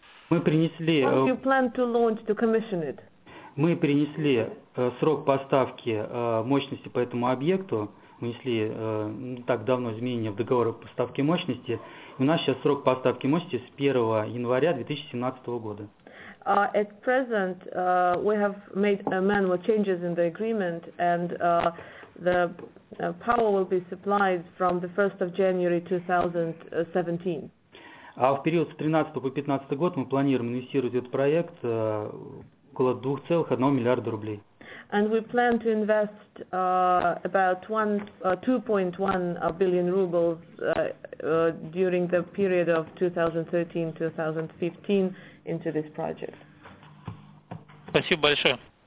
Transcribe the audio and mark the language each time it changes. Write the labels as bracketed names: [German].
[Russian] Мы перенесли срок поставки мощности по этому объекту внесли так давно изменения в договор о поставке мощности. У нас сейчас срок поставки мощности с 1 января 2017 года. [English] At present, we have made manual changes in the agreement, and the power will be supplied from the 1st of January 2017. [Russian] А в период с 2013 по 2015 год мы планируем инвестировать в этот проект около 2,1 миллиарда рублей. [English] And we plan to invest about 2.1 billion rubles during the period of 2013-2015 into this project. [Russian] Спасибо большое.